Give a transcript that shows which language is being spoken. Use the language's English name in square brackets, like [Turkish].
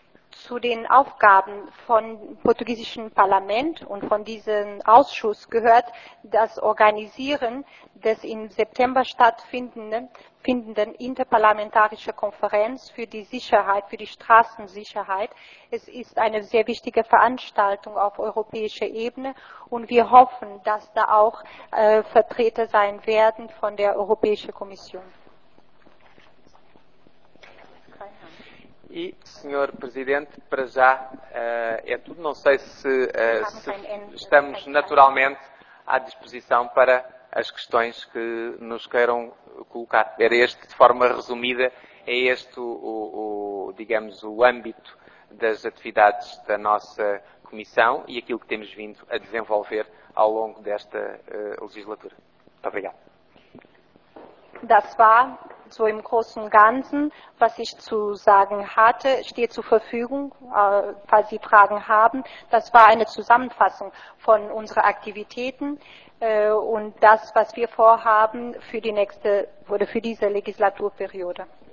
[German] Zu den Aufgaben von portugiesischen Parlament und von diesem Ausschuss gehört das Organisieren des im September stattfindenden interparlamentarischen Konferenz für die Sicherheit, für die Straßensicherheit. Es ist eine sehr wichtige Veranstaltung auf europäischer Ebene und wir hoffen, dass da auch Vertreter sein werden von der Europäischen Kommission. [Portuguese] E, Sr. Presidente, para já é tudo. Não sei se estamos naturalmente à disposição para as questões que nos queiram colocar. Era este, de forma resumida, é este o âmbito das atividades da nossa Comissão e aquilo que temos vindo a desenvolver ao longo desta legislatura. Muito obrigado. [German] Das war so im Großen und Ganzen, was ich zu sagen hatte, steht zur Verfügung, falls Sie Fragen haben. Das war eine Zusammenfassung von unseren Aktivitäten und das, was wir vorhaben für die nächste oder für diese Legislaturperiode.